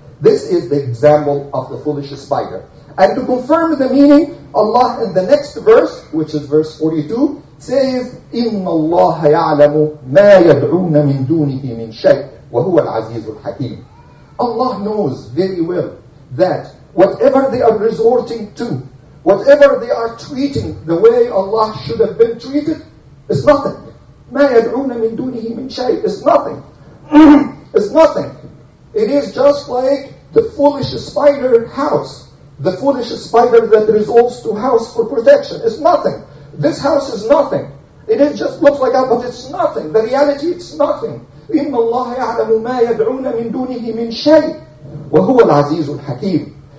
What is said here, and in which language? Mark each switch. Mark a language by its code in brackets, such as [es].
[en] This is the example of the foolish spider. And to confirm the meaning, Allah in the next verse, which is verse 42, says, [ar] إِنَّ اللَّهَ يَعْلَمُ مَا يَدْعُونَ مِن دُونِهِ مِن شَيْءٍ وَهُوَ الْعَزِيزُ الْحَكِيمُ. [en] Allah knows very well that whatever they are resorting to, whatever they are treating the way Allah should have been treated, is nothing. [ar] مَا يَدْعُونَ مِن دُونِهِ مِن شَيْءٍ [en] is nothing. It's nothing. It is just like the foolish spider house. The foolish spider that resorts to house for protection. It's nothing. This house is nothing. It is just looks like that, but it's nothing. The reality, it's nothing. [ar] إِنَّ اللَّهَ يَعْلَمُ مَا يَدْعُونَ مِن دُونِهِ مِن شَيْءٍ وَهُوَ الْعَزِيزُ الْحَكِيمُ.